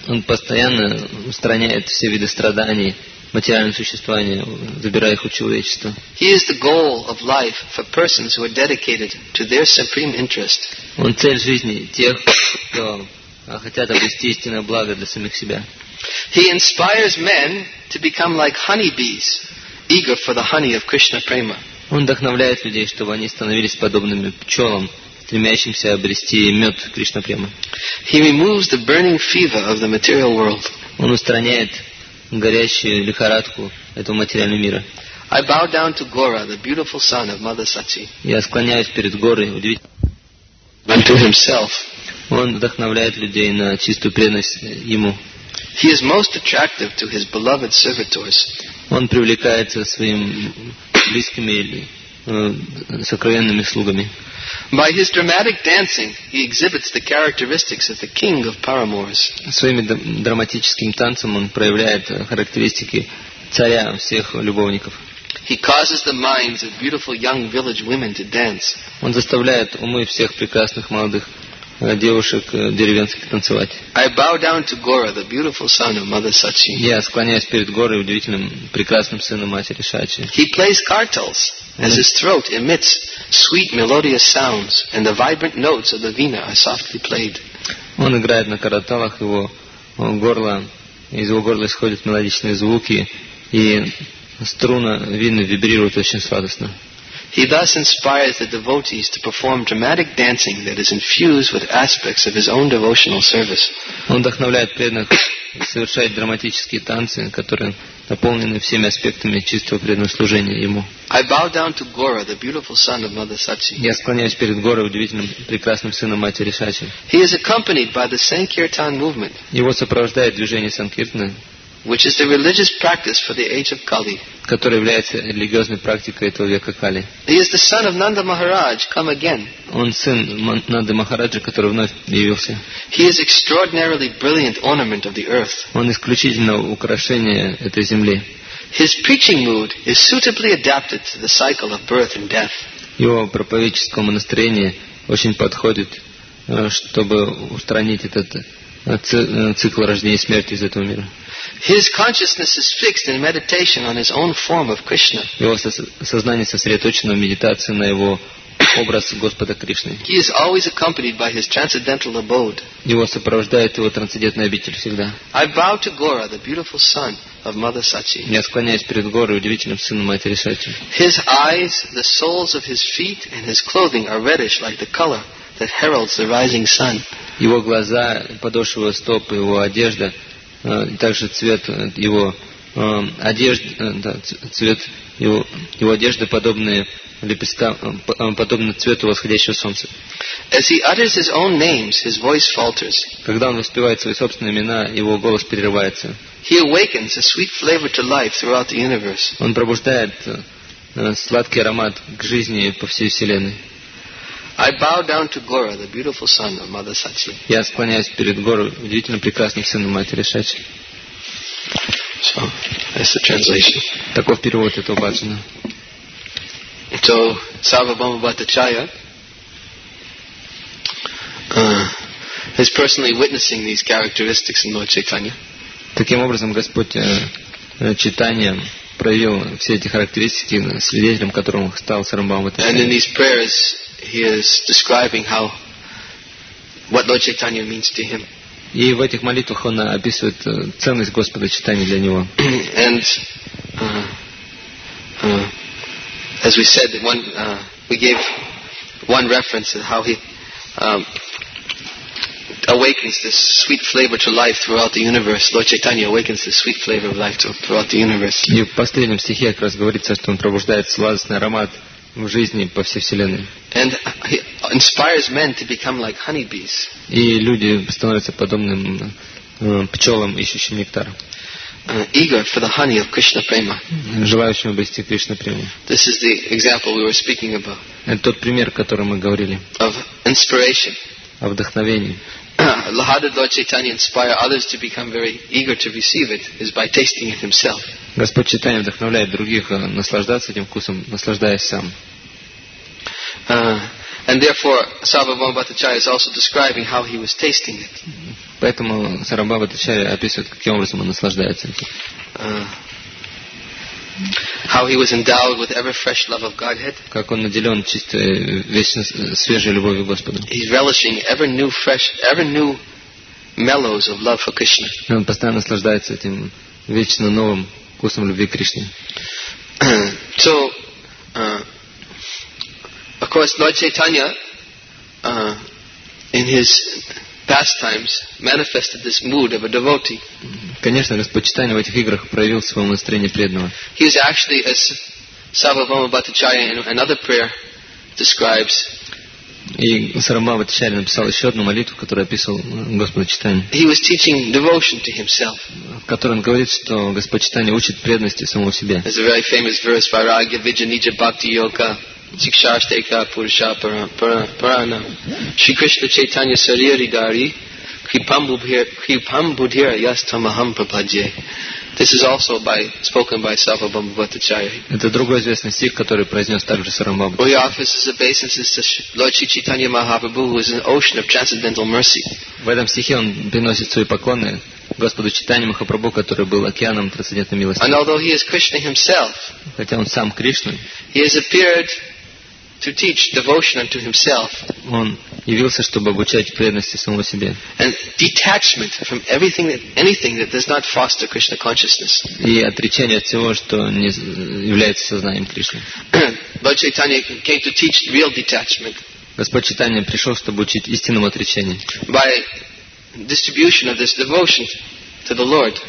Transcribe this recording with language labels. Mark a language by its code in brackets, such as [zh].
[ru] Он постоянно устраняет все виды страданий материального существования, забирая их у человечества. [en] He is the goal of life for persons who are dedicated to their supreme interest. [ru] Он цель жизни тех, кто хотят обрести истинное благо для самих себя. [en] He inspires men to become like honeybees, eager for the honey of Krishna prema. [ru] Он вдохновляет людей, чтобы они становились подобными пчелам, стремящимся обрести мед Кришна према. [en] He removes the burning fever of the material world. [ru] Он устраняет горящую лихорадку этого материального мира. [en] I bow down to Gora, the beautiful son of Mother Sachi. [ru] Я склоняюсь перед Горой, удивительно. [en] Unto himself. [ru] Он вдохновляет людей на чистую преданность ему. [en] He is most attractive to his beloved servitors. [ru] Он привлекается своим близкими или сокровенными слугами. [en] By his dramatic dancing, he exhibits the characteristics of the king of paramours. [ru] Своим драматическим танцем он проявляет характеристики царя всех любовников. [en] He causes the minds of beautiful young village women to dance. [ru] Он заставляет умы всех прекрасных молодых девушек деревенских танцевать. [en] I bow down to Gora, the beautiful son of Mother Sachi. [ru] Я склоняюсь перед Горой, удивительным прекрасным сыном матери Сачи. [en] He plays kartals as his throat emits sweet melodious sounds and the vibrant notes of the veena are softly played. [ru] Он играет на карталах, его горло, из его горла исходят мелодичные звуки, и струна вины вибрирует очень сладостно. [en] He thus inspires the devotees to perform dramatic dancing that is infused with aspects of his own devotional service. [ru] Он вдохновляет преданных совершать драматические танцы, которые наполнены всеми аспектами чистого преданного служения ему. [en] I bow down to Gora, the beautiful son of Mother Sachi. [ru] Я склоняюсь перед Горой, удивительным прекрасным сыном матери Сачи. [en] He is accompanied by the Sankirtan movement. [ru] Его сопровождает движение Санкиртаны, [en] which is the religious practice for the age of Kali. [ru] Который является религиозной практикой этого века Кали. [en] He is the son of Nanda Maharaj, come again. [ru] Он сын Нанды Махараджа, который вновь явился. [en] He is extraordinarily brilliant ornament of the earth. [ru] Он исключительно украшение этой земли. [en] His preaching mood is suitably adapted to the cycle of birth and death. [ru] Его проповедническое настроение очень подходит, чтобы устранить этот цикл рождения и смерти из этого мира. [en] His consciousness is fixed in meditation on his own form of Krishna. [ru] Его сознание сосредоточено в медитации на его образ Господа Кришны. [en] He is always accompanied by his transcendental abode. [ru] Его сопровождает его трансцендентный обитель всегда. [en] I bow to Gora, the beautiful son of Mother Sachi. [ru] Я склоняюсь перед Горой, удивительным сыном матери Сачи. [en] His eyes, the soles of his feet, and his clothing are reddish like the color that heralds the rising sun. [ru] Его глаза, подошвы стоп, его одежда, также цвет его одежды, цвет его одежды подобные лепесткам, подобно цвету восходящего солнца. [en] As he utters his own names, his voice falters. [ru] Когда он воспевает свои собственные имена, его голос прерывается. [en] He awakens a sweet flavor to life throughout the universe. [ru] Он пробуждает сладкий аромат к жизни по всей вселенной. [en] I bow down to Gora, the beautiful son of Mother Sachi. [ru] Я склоняюсь перед Гору, удивительно прекрасным сыном матери Сачи. [en] So, that's the translation. [ru] Таков перевод этого баджана. [en] So, Sarvabhauma Bhattacharya is personally witnessing these characteristics in Lord Chaitanya. [ru] Таким образом, Господь Чайтанья проявил все эти характеристики свидетелем, которым стал Сарвабхаума Бхаттачарья. [en] And in these prayers, he is describing how what Lord Chaitanya means to him. [ru] И в этих молитвах он описывает ценность Господа Чайтаньи для него. [en] And as we said, one we gave one reference to how he awakens this sweet flavor to life throughout the universe. Lord Chaitanya awakens this sweet flavor of life throughout the universe. [ru] И в последнем стихе как раз говорится, что он пробуждает сладостный аромат в жизни по всей вселенной. [en] And he inspires men to become like honeybees. [ru] И люди становятся подобным пчелам, ищущим нектар. [en] Eager for the honey of Krishna prema. [ru] Желающим обрести Кришна прему. [en] This is the example we were speaking about. [ru] Это тот пример, о котором мы говорили. [en] Of inspiration. [ru] О вдохновении. [en] How did Lord Chaitanya inspire others to become very eager to receive it is by tasting it himself. [ru] Господь Чайтанья вдохновляет других наслаждаться этим вкусом, наслаждаясь сам. [en] And therefore, Sarvabhauma Bhattacharya is also describing how he was tasting it. [ru] Поэтому Сарвабхаума Бхаттачарья описывает, каким образом он наслаждается этим. [en] How he was endowed with ever fresh love of Godhead. [ru] Как он наделен чистой, вечно свежей любовью Господа. [en] He's relishing ever new fresh, ever new mellows of love for Krishna. [ru] Он постоянно наслаждается этим вечно новым вкусом любви к Кришне. [en] So, of course, Lord Chaitanya, in his pastimes, manifested this mood of a devotee. [ru] Конечно, Господь Чайтанья в этих играх проявил свое настроение преданного. [en] He is actually, as Sarvabhauma Bhattacharya in another prayer describes. [ru] И Сарвабхаума Бхаттачарья написал еще одну молитву, которую описывал Господь Чайтанья. [en] He was teaching devotion to himself. [ru] В которой он говорит, что Господь Чайтанья учит преданности самого себя. [en] There's a very famous verse, [sa] Vairagya Vijanija Bhakti Yoga. Сикшаштейка Пурша Парана Шри Кришна Чайтанья Сарири Дари Крипамбудхира Ястамахам Прападье. [en] This is also by spoken by Sarvabhauma Bhattacharya. [ru] Это другой известный стих, который произнес также Сарвабхаума [en] Бхаттачарья. He offers his obeisances to Lord Shri Chaitanya Mahaprabhu, who is an ocean of transcendental mercy. [ru] В этом стихе он приносит свои поклоны Господу Чайтанья Махапрабху, который был океаном трансцендентной милости. [en] And although he is Krishna himself, [ru] хотя он сам Кришна, [en] he has appeared to teach devotion unto himself. [ru] Он явился, чтобы обучать преданности самого себе. [en] And detachment from everything that anything that does not foster Krishna consciousness. [ru] И отречение от всего, что не является сознанием Кришны. [en] Lord Chaitanya came to teach real detachment. [ru] Господь Чайтанья пришел, чтобы учить истинному отречению. [en] By distribution of this devotion to the Lord.